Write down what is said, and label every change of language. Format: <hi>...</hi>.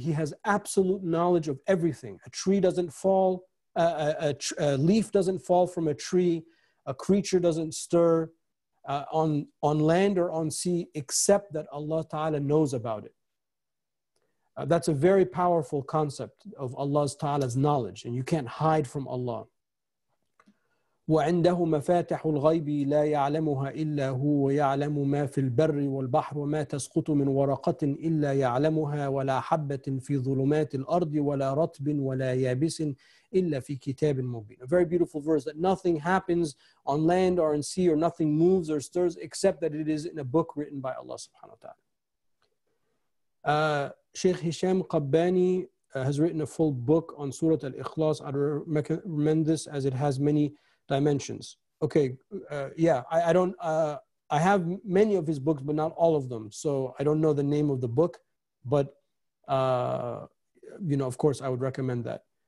<en>He has absolute knowledge of everything. A tree doesn't fall, a leaf doesn't fall from a tree, a creature doesn't stir on land or on sea, except that Allah ta'ala knows about it. That's a very powerful concept of Allah's ta'ala's knowledge, and you can't hide from Allah.</en> <ar>وعنده مفاتح الغيب لا يعلمها إلا هو ويعلم ما في البر والبحر وما تسقط من ورقة إلا يعلمها ولا حبة في ظلمات الأرض ولا رطب ولا يابس إلا في كتاب مبين.</ar> <en>A very beautiful verse that nothing happens on land or in sea, or nothing moves or stirs except that it is in a book written by Allah subhanahu wa ta'ala. Sheikh Hisham Qabbani has written a full book on Surah Al-Ikhlas. I recommend this as it has many dimensions. Okay, I have many of his books, but not all of them. So I don't know the name of the book, but you know, of course, I would recommend that.</en>